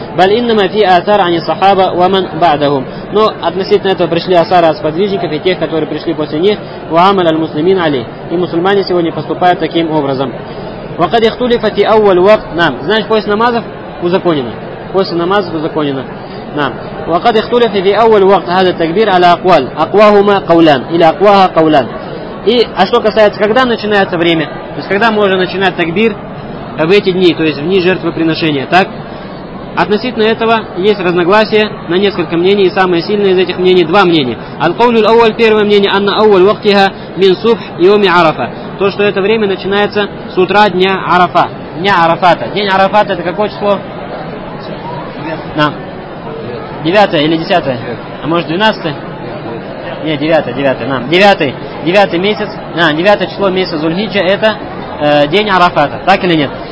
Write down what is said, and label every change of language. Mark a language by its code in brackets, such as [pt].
[ar] Бал иннама фи асар ани сахаба ва ман баадахум. [ru] Но относительно этого пришли асары от сподвижников и тех, которые пришли после них. [ar] Ва амаль аль муслимин али. [ru] И мусульмане сегодня поступают таким образом. [ar] Ва кад ихтулифа фи ауаль вакт нам. [ru] Значит, после намазов узаконено. После намазов узаконено. Нам. [ar] وقد اختلف في أول وقت هذا التكبير على أقوال أقواهما قولان إلى أقواها قولان. [ru] И а что касается, когда начинается время, то есть когда можно начинать такбир в эти дни, то есть в дни жертвоприношения, так? Относительно этого есть разногласия на несколько мнений, и самое сильное из этих мнений — два мнения. [ar] القول الأول, [ru] первое мнение, [ar] أن أول وقتها من صبح يوم عرفة. [ru] То, что это время начинается с утра дня Арафа, дня Арафата. День Арафата — это какое число? Нам. Девятое или десятое? А может, двенадцатое? Нет, девятое. Нам. Девятый месяц. Девятое число месяца Зульхиджа — это день Арафата. Так или нет?